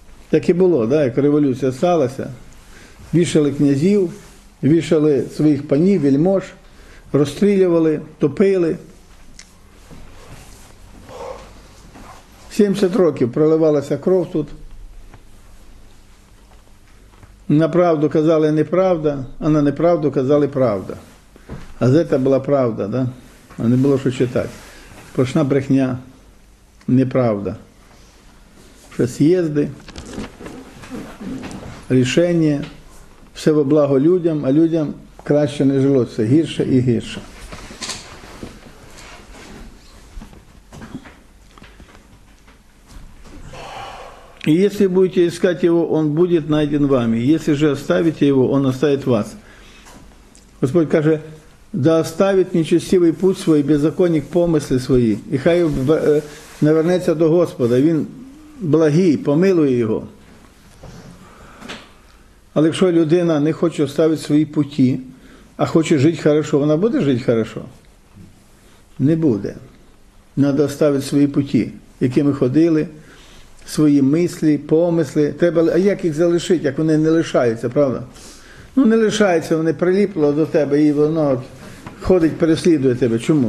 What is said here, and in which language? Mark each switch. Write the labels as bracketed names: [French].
[Ukrainian] Так і було, да, як революція сталася. Вішали князів, вішали своїх панів, вельмож. Розстрілювали, топили. 70 років проливалася кров тут. На правду казали неправда, а на неправду казали правда. Газета була правда, да? А не було що читати. Сплошна брехня, неправда. Що з'їзди, рішення, все во благо людям, а людям краще не жилося, гірше і гірше. І якщо будете шукати його, він буде знайден вами. Якщо ж оставите його, він оставить вас. Господь каже, [Russian] да оставит нечестивый путь свой, беззаконник помысли свои, и хай навернется до Господа, [Ukrainian] він благий, помилує його. Але якщо людина не хоче оставити свої путі, а хоче жити хорошо, вона буде жити хорошо? Не буде. Надо оставити свої путі, якими ходили, свої мислі, помисли. Треба, а як їх залишити, як вони не лишаються, правда? Ну не лишаються, вони приліпли до тебе і воно ходить, переслідує тебе. Чому?